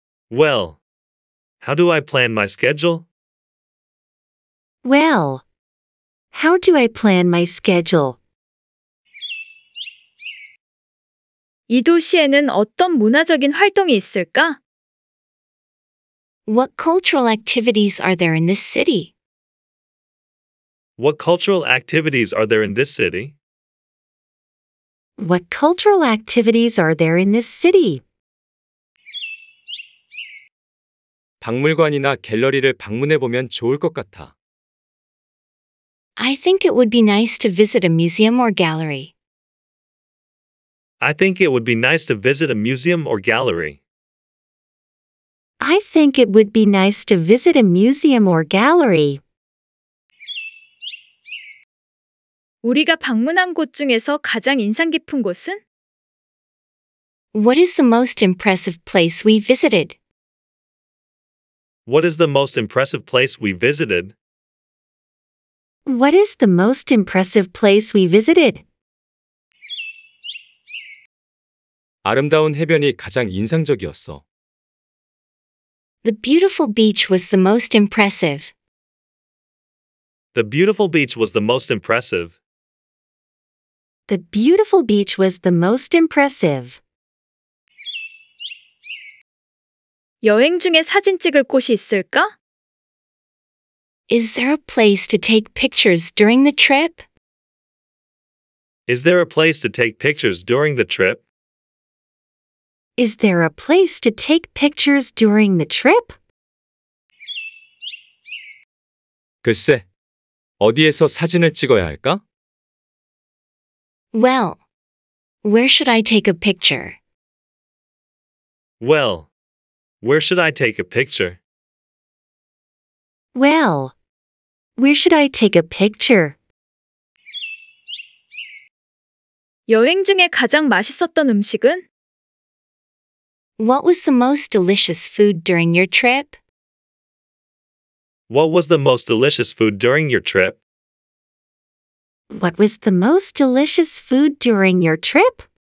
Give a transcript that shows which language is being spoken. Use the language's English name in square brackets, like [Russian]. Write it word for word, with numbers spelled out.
[English] Well, how do I plan my schedule? Well, how do I plan my schedule? [Korean] 이 도시에는 어떤 문화적인 활동이 있을까? [English] What cultural activities are there in this city? What cultural activities are there in this city? What cultural activities are there in this city? [Korean] 박물관이나 갤러리를 방문해 보면 좋을 것 같아. [English] I think it would be nice to visit a museum or gallery. I think it would be nice to visit a museum or gallery. I think it would be nice to visit a museum or gallery. [Korean] 우리가 방문한 곳 중에서 가장 인상 깊은 곳은? [English] What is the most impressive place we visited? What is the most impressive place we visited? What is the most impressive place we visited? [Korean] 아름다운 해변이 가장 인상적이었어. [English] The beautiful beach was the most impressive. The beautiful beach was the most impressive. The beautiful beach was the most impressive. [Korean] 여행 중에 사진 찍을 곳이 있을까? [English] Is there a place to take pictures during the trip? Is there a place to take pictures during the trip? Is there a place to take pictures during the trip? [Korean] 글쎄, 어디에서 사진을 찍어야 할까? [English] Well, where should I take a picture? Well, where should I take a picture? Well, where should I take a picture? [Korean] 여행 중에 가장 맛있었던 음식은? [English] What was the most delicious food during your trip? What was the most delicious food during your trip? What was the most delicious food during your trip?